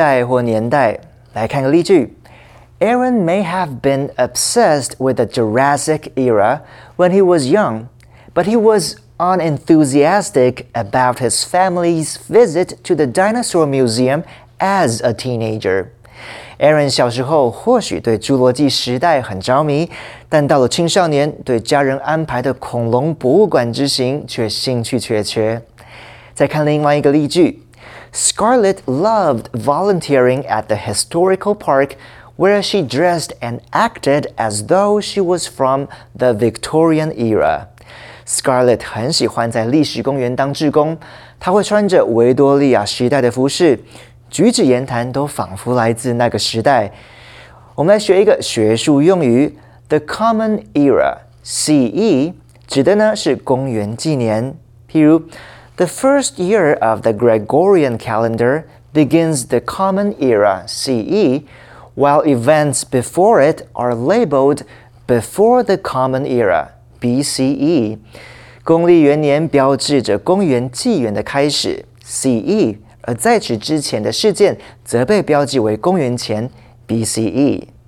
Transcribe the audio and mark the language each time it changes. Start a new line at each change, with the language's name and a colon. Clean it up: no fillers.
English: Aaron may have been obsessed with the Jurassic era when he was young, but he was unenthusiastic about his family's visit to the dinosaur museum as a teenager.
Chinese: Aaron 小时候或许对侏罗纪时代很着迷，但到了青少年，对家人安排的恐龙博物馆之行却兴趣缺缺。
English: 再看另外一个例句， Scarlett loved volunteering at the historical park where she dressed and acted as though she was from the Victorian era.
Chinese: Scarlett 很喜欢在历史公园当志工，她会穿着维多利亚时代的服饰，举止言谈都仿佛来自那个时代。我们来学一个学术用语， The Common Era, CE, 指的呢是公元纪年。
English: 譬如 The first year of the Gregorian calendar begins the Common Era, CE, while events before it are labeled before the Common Era, BCE.
Chinese: 公历元年标志着公元纪元的开始, CE, 而在此之前的事件则被标记为公元前, BCE.